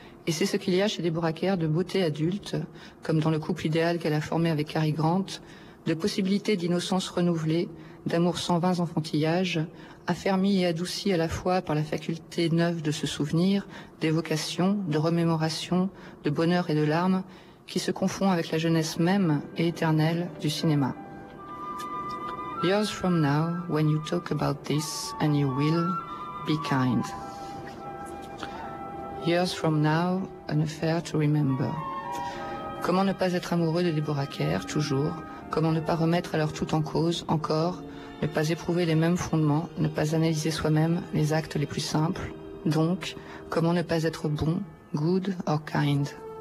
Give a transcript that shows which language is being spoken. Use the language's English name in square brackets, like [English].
[French] Et c'est ce qu'il y a chez Deborah Kerr de beauté adulte, comme dans le couple idéal qu'elle a formé avec Cary Grant, de possibilité d'innocence renouvelée, d'amour sans vains enfantillages, affermi et adouci à la fois par la faculté neuve de se souvenir, d'évocation, de remémoration, de bonheur et de larmes, qui se confond avec la jeunesse même et éternelle du cinéma. [English] Years from now, when you talk about this and you will, be kind. Years from now, an affair to remember. [French] Comment ne pas être amoureux de Deborah Kerr, toujours? Comment ne pas remettre alors tout en cause, encore, ne pas éprouver les mêmes fondements, ne pas analyser soi-même les actes les plus simples. Donc, comment ne pas être bon, [English] good or kind ?